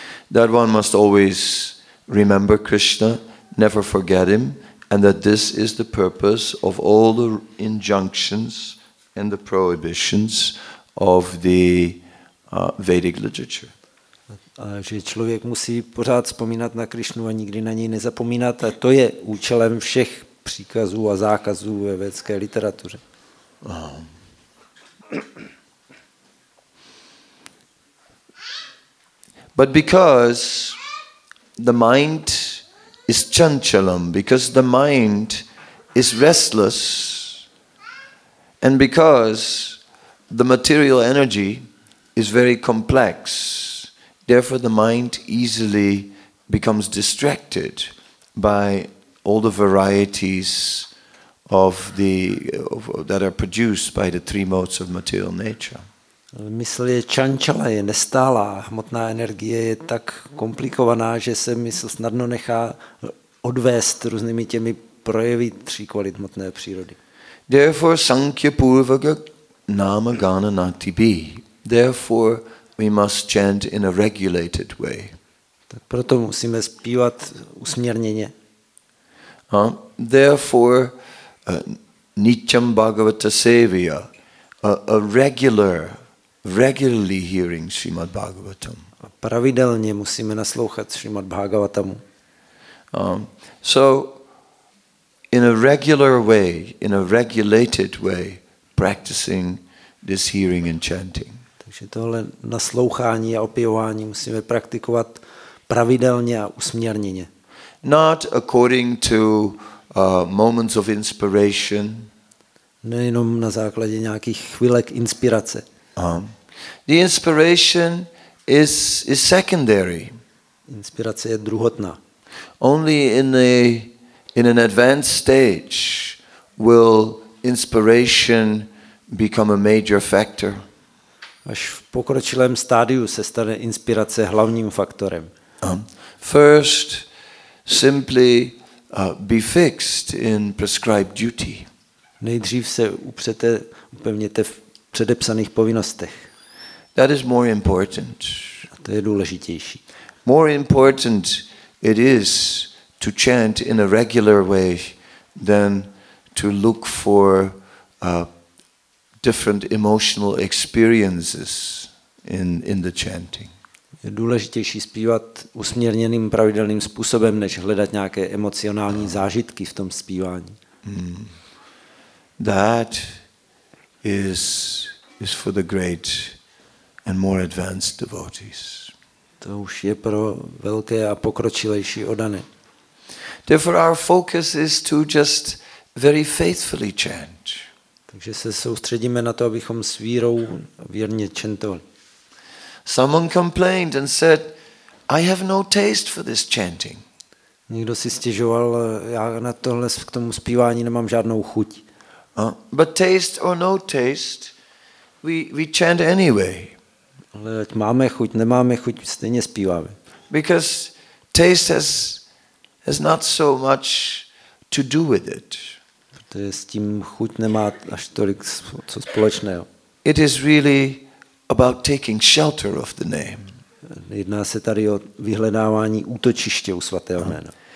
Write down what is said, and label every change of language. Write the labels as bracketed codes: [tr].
[en] That one must always remember Krishna, never forget him, and that this is the purpose of all the injunctions and the prohibitions of the Vedic literature. [cs] A že člověk musí pořád vzpomínat na Krishnu a nikdy na něj nezapomínat, a to je účelem všech příkazů a zákazů ve vědecké literatuře. [en] But because the mind is chanchalam, because the mind is restless, and because the material energy is very complex, therefore the mind easily becomes distracted by all the varieties that are produced by the three modes of material nature. [cs] Mysl je čančala, je nestálá, hmotná energie je tak komplikovaná, že se mysl snadno nechá odvést různými těmi projevy tří kvalit hmotné přírody. [en] Therefore [sa] sankhya purvaka nama gana nati bi. [en] Therefore we must chant in a regulated way. [cs] Tak proto musíme zpívat usměrněně. [en] Therefore [sa] nityam bhagavata sevaya, [en] regularly hearing Srimad Bhagavatam. [cs] Pravidelně musíme naslouchat Srimad Bhagavatam. [en] So in a regular way, in a regulated way practicing this hearing and chanting. [cs] Takže tohle naslouchání a opěvování musíme praktikovat pravidelně a usměrněně. [en] Not according to moments of inspiration. [cs] Nejenom na základě nějakých chvílek inspirace. [en] The inspiration is secondary. [cs] Inspirace je druhotná. [en] Only in an advanced stage will inspiration become a major factor. [cs] Až v pokročilém stádiu se stane inspirace hlavním faktorem. [en] First, simply be fixed in prescribed duty. [cs] Nejdřív se upevněte v předepsaných povinnostech. [en] That is more important. [cs] A to je důležitější. [en] More important it is to chant in a regular way than to look for different emotional experiences in the chanting. [cs] Je důležitější zpívat usměrněným pravidelným způsobem, než hledat nějaké emocionální zážitky v tom zpívání. [en] That is for the great and more advanced devotees. [cs] To už je pro velké a pokročilejší odané. [en] Therefore our focus is to just very faithfully chant. [cs] Takže se soustředíme na to, abychom s vírou věrně chantovali. [en] Someone complained and said, I have no taste for this chanting. [cs] Někdo si stěžoval, já na tohle k tomu zpívání nemám žádnou chuť. [en] But taste or no taste, we chant anyway. [cs] Ale ať máme chuť, nemáme chuť, stejně zpíváme. [en] Because taste has not so much to do with it. [cs] Protože s tím chuť nemá až tolik co společného. [en] It is really about taking shelter of the name. [cs] Jedná se tady o vyhledávání útočiště u svatého jména.